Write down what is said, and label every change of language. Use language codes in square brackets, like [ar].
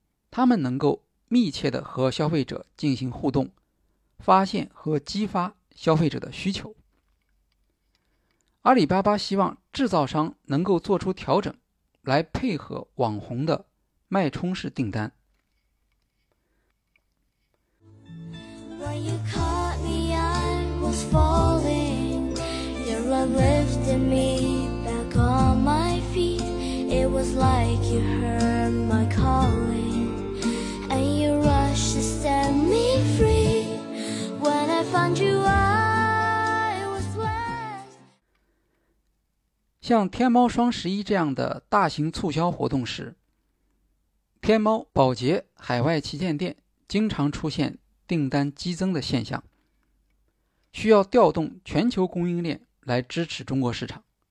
[zh] 他们能够密切地和消费者进行互动，发现和激发消费者的需求。阿里巴巴希望制造商能够做出调整，来配合网红的脉冲式订单。 [en] When you caught me, I was falling. Lifted me back on my feet. It was like you heard my calling, and you rushed to set me free. When I found you, I was blessed. [zh] 像天猫双十一这样的大型促销活动时，天猫、宝洁海外旗舰店经常出现订单激增的现象，需要调动全球供应链来支持中国市场。